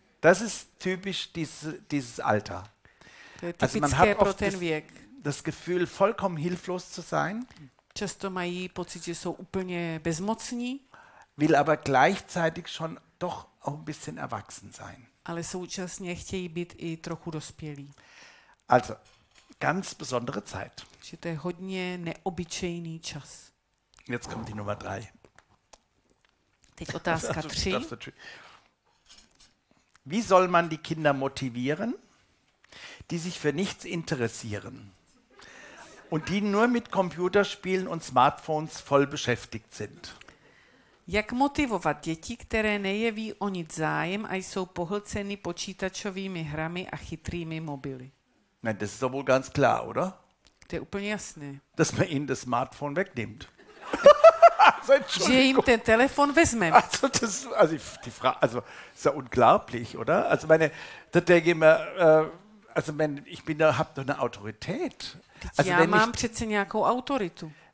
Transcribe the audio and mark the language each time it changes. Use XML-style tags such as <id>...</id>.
<de>Das ist typisch dieses Alter.</de> <cs>To je typické</cs> <de>also man hat</de> <cs>pro ten věk.</cs> <de>Das Gefühl, vollkommen hilflos zu sein.</de> <cs>Často mají pocit, že jsou úplně bezmocní.</cs> <de>Will aber gleichzeitig schon doch auch ein bisschen erwachsen sein.</de> <cs>Ale současně chtějí být i trochu dospělí.</cs> <de>Also, ganz besondere Zeit.</de> <cs>Že to je hodně neobyčejný čas.</cs> <de>Jetzt kommt die Nummer 3.</de> <cs>Teď otázka 3.</cs> <de>Wie soll man die Kinder motivieren, die sich für nichts interessieren und die nur mit Computerspielen und Smartphones voll beschäftigt sind?</de> <cs>Jak motivovat děti, které nejeví o nic zájem a jsou pohlceny počítačovými hrami a chytrými mobily?</cs> <de>Nein, das ist doch wohl ganz klar, oder?</de> <cs>To je úplně jasné.</cs> <de>Dass man ihnen das Smartphone wegnimmt.</de> <cs>Že jim ten telefon vezme.</cs> <de>Also, das, also, die Frage, also, ist ja unglaublich, oder? Also, meine, da denke ich mir, also, wenn, ich bin da, hab doch eine Autorität.</de> <cs>Also, já mám přece nějakou autoritu.</cs>